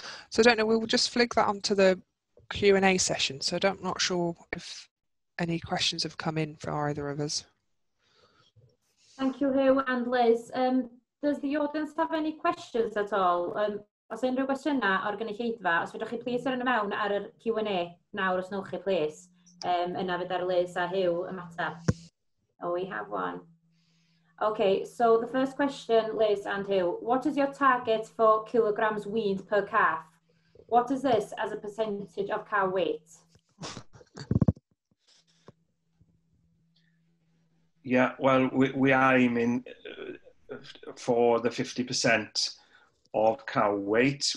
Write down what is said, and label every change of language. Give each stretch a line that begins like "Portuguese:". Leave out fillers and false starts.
English: So I don't know, we'll just flick that onto the Q&A session. So I'm not sure if any questions have come in for either of us. Thank you, Hugh and Liz. Does the audience have any questions at all?
Welsh: Os unrhyw gwestiynau o'r gynulleidfa, os fyddwch chi plis ar yna mewn ar y Q&A nawr os wnewch chi plis, yna fydd ar Liz a Hugh ymateb.
English: Oh, we have one. Okay, so the first question, Liz and Hugh, what is your target for kilograms weaned per calf? What is this as a percentage of cow weight? Yeah, well, we are aiming for the 50% of cow weight.